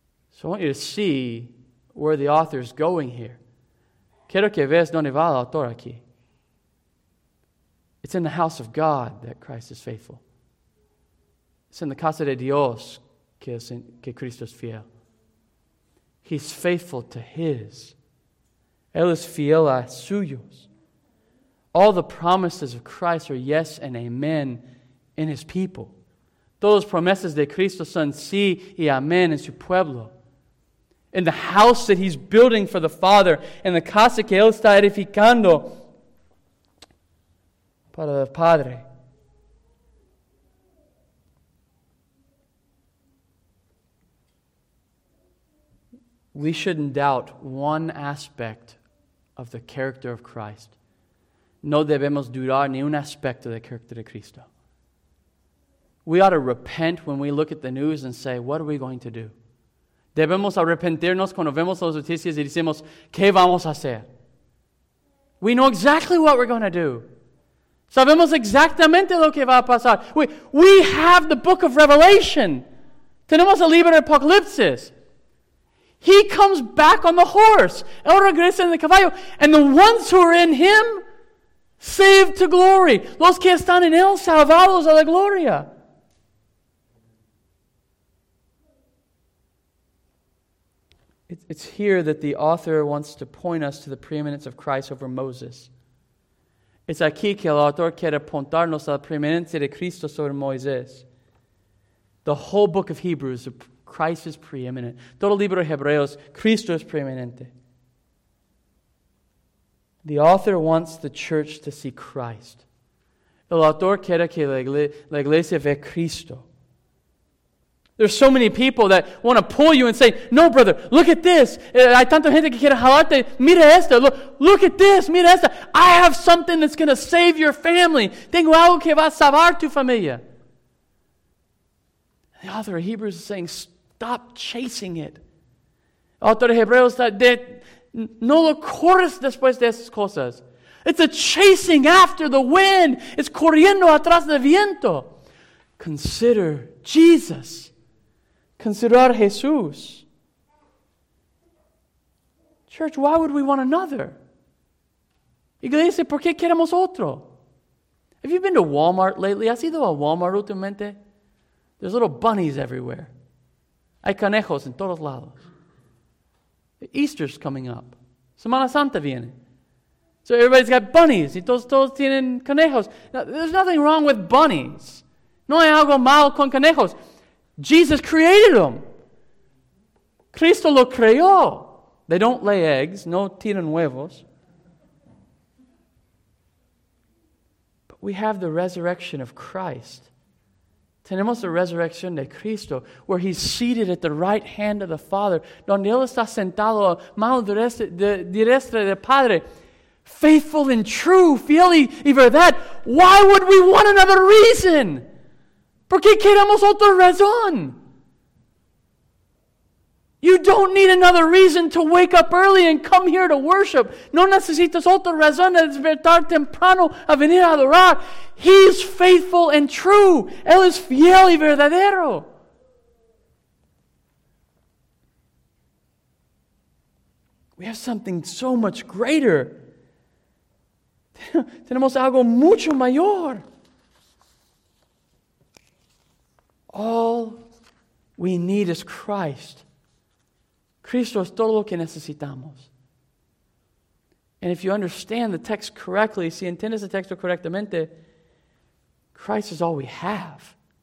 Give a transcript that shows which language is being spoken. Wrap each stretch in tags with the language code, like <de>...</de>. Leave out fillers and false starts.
<en>So I want you to see where the author is going here.</en> <es>Quiero que veas donde va el autor aquí.</es> <en>It's in the house of God that Christ is faithful. It's in the</en> <es>casa de Dios que Cristo es fiel.</es> <en>He's faithful to His.</en> <es>Él es fiel a suyos.</es> <en>All the promises of Christ are yes and amen in His people.</en> <es>Todas promesas de Cristo son sí y amén en su pueblo.</es> <en>In the house that He's building for the Father, in the</en> <es>casa que Él está edificando para el Padre.</es> <en>We shouldn't doubt one aspect of the character of Christ.</en> <es>No debemos dudar ni un aspecto del carácter de Cristo.</es> <en>We ought to repent when we look at the news and say, what are we going to do?</en> <es>Debemos arrepentirnos cuando vemos las noticias y decimos, ¿qué vamos a hacer?</es> <en>We know exactly what we're going to do.</en> <es>Sabemos exactamente lo que va a pasar.</es> <en>We have the book of Revelation.</en> <es>Tenemos el libro de Apocalipsis.</es> <en>He comes back on the horse.</en> <es>El regresa en el caballo.</es> <en>And the ones who are in Him, saved to glory.</en> <es>Los que están en Él, salvados a la gloria.</es> <en>It's here that the author wants to point us to the preeminence of Christ over Moses.</en> <es>It's aquí que el autor quiere apuntarnos a la preeminencia de Cristo sobre Moisés.</es> <en>The whole book of Hebrews, Christ is preeminent.</en> <es>Todo el libro de Hebreos, Cristo es preeminente.</es> <en>The author wants the church to see Christ.</en> <es>El autor quiere que la iglesia vea Cristo.</es> <en>There's so many people that want to pull you and say, no, brother, look at this.</en> <es>Hay tanta gente que quiere jalarte. Mira esto.</es> <en>Look at this.</en> <es>Mira esto.</es> <en>I have something that's going to save your family.</en> <es>Tengo algo que va a salvar tu familia.</es> <en>The author of Hebrews is saying, stop chasing it.</en> <es>El autor de Hebreos está, no lo corres después de esas cosas.</es> <en>It's a chasing after the wind. It's</en> <es>corriendo atrás del viento.</es> <en>Consider Jesus.</en> <es>Considerar Jesús.</es> <en>Church, why would we want another?</en> <es>Iglesia, ¿por qué queremos otro?</es> <en>Have you been to Walmart lately?</en> <es>¿Has ido a Walmart últimamente?</es> <en>There's little bunnies everywhere.</en> <es>Hay conejos en todos lados.</es> <en>Easter's coming up.</en> <es>Semana Santa viene.</es> <en>So everybody's got bunnies.</en> <es>Y todos tienen conejos.</es> <en>Now, there's nothing wrong with bunnies.</en> <es>No hay algo mal con conejos.</es> <en>Jesus created them.</en> <es>Cristo lo creó.</es> <en>They don't lay eggs.</en> <es>No tiran huevos.</es> <en>But we have the resurrection of Christ.</en> <es>Tenemos la resurrección de Cristo,</es> <en>where he's seated at the right hand of the Father,</en> <es>donde él está sentado a mano derecha del Padre.</es> <en>Faithful and true,</en> <es>fiel y verdad.</es> <en>Why would we want another reason?</en> <es>¿Por qué queremos otra razón?</es> <en>You don't need another reason to wake up early and come here to worship.</en> <es>No necesitas otra razón de despertar temprano a venir a adorar.</es> <en>He's faithful and true.</en> <es>Él es fiel y verdadero.</es> <en>We have something so much greater.</en> <es>Tenemos algo mucho mayor.</es> <en>All we need is Christ.</en> <es>Cristo es todo lo que necesitamos.</es> <en>And if you understand the text correctly,</en> <es>si entiendes el texto correctamente,</es> <en>Christ is all we have.</en>